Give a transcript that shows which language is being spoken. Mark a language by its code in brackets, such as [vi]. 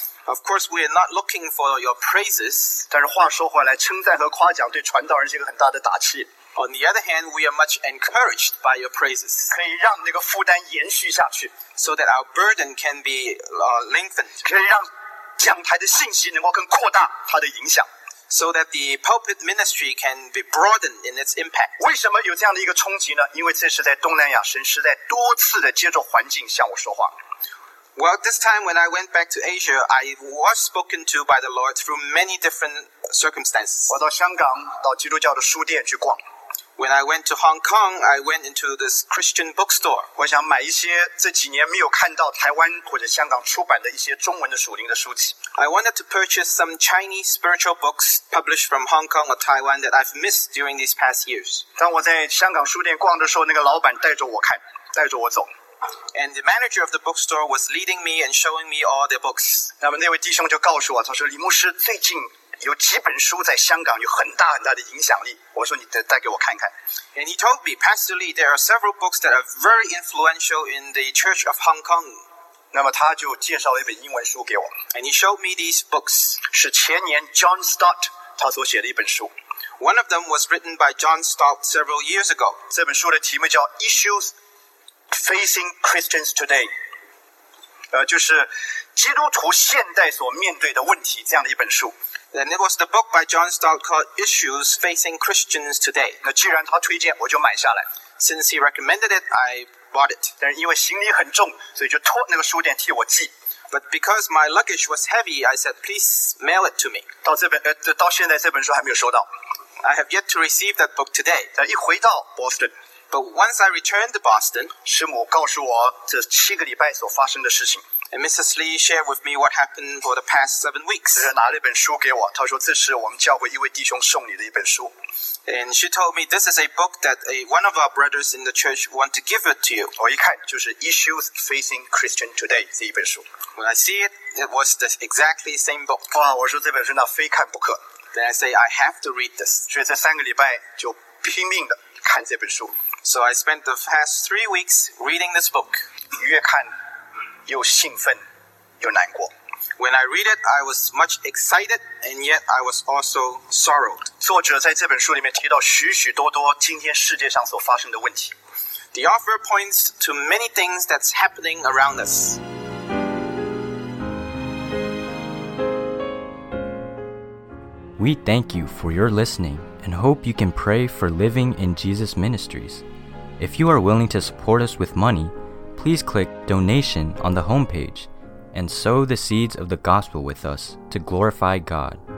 [en] Of course, we are not looking for your praises. [zh] 但是话说回来，称赞和夸奖对传道人是一个很大的打气。 [en] On the other hand, we are much encouraged by your praises. [zh] 可以让那个负担延续下去。 [en] So that our burden can be lengthened. [zh] 可以让讲台的信息能够更扩大它的影响。 [en] So that the pulpit ministry can be broadened in its impact. [zh] 为什么有这样的一个冲击呢？因为这是在东南亚，神实在多次的借着环境向我说话。 [en] Well, this time when I went back to Asia, I was spoken to by the Lord through many different circumstances. [zh] 我到香港，到基督教的书店去逛。 [en] When I went to Hong Kong, I went into this Christian bookstore. [zh] 我想买一些这几年没有看到台湾或者香港出版的一些中文的属灵的书籍。 [en] I wanted to purchase some Chinese spiritual books published from Hong Kong or Taiwan that I've missed during these past years. [zh] 当我在香港书店逛的时候，那个老板带着我看，带着我走。 [en] And the manager of the bookstore was leading me and showing me all the books. [zh] 那么那位弟兄就告诉我，他说李牧师最近有几本书在香港有很大很大的影响力。我说你带给我看看。 [en] And he told me, Pastor Lee, there are several books that are very influential in the Church of Hong Kong. [zh] 那么他就介绍了一本英文书给我。 [en] And he showed me these books. [zh] 是前年 John Stott 他所写的一本书。 [en] One of them was written by John Stott several years ago. [zh] 这本书的题目叫 Issues Facing Christians Today. 就是基督徒现代所面对的问题这样的一本书。 [en] And it was the book by John Stott called Issues Facing Christians Today. [zh] 那既然他推荐，我就买下来。 [en] Since he recommended it, I bought it. [zh] 但是因为行李很重，所以就托那个书店替我寄。 [en] But because my luggage was heavy, I said, please mail it to me. [zh] 到这本到现在这本书还没有收到。 [en] I have yet to receive that book today. [zh] 但一回到 Boston, [en] but once I returned to Boston, [zh] 师母告诉我这七个礼拜所发生的事情。 [en] And Mrs. Lee shared with me what happened for the past 7 weeks. [zh] 她拿了一本书给我，她说这是我们教会一位弟兄送你的一本书。 [en] And she told me this is a book that one of our brothers in the church want to give it to you. [zh] 我一看就是 Issues Facing Christian Today 这一本书。 [en] When I see it, it was the exactly same book. [zh] 哇，我说这本书那非看不可。 [en] Then I say I have to read this. [zh] 所以这三个礼拜就拼命的看这本书。 [en] So I spent the past 3 weeks reading this book. [zh] 越看。又兴奋又难过。 [en] When I read it, I was much excited, and yet I was also sorrowed. [zh] 作者在这本书里面提到许许多多今天世界上所发生的问题。 [en] The author points to many things that's happening around us. We thank you for your listening and hope you can pray for Living in Jesus Ministries. If you are willing to support us with money,Please click Donation on the homepage and sow the seeds of the gospel with us to glorify God.